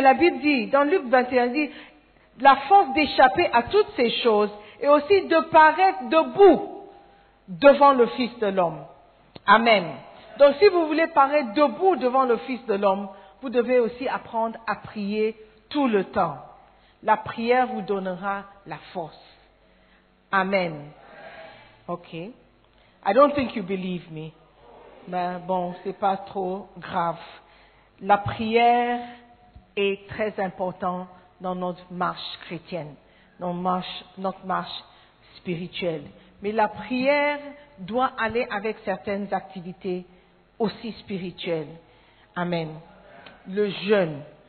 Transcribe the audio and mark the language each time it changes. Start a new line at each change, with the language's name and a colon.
French: La Bible dit, dans Luc 21, dit, la force d'échapper à toutes ces choses et aussi de paraître debout devant le Fils de l'homme. Amen. Donc, si vous voulez paraître debout devant le Fils de l'homme, vous devez aussi apprendre à prier tout le temps. La prière vous donnera la force. Amen. Ok.
English: I don't think you believe me.
French: Mais bon, c'est pas trop grave. La prière est très importante dans notre marche chrétienne, dans notre marche spirituelle. Mais la prière doit aller avec certaines activités aussi spirituelles. Amen. Le jeûne.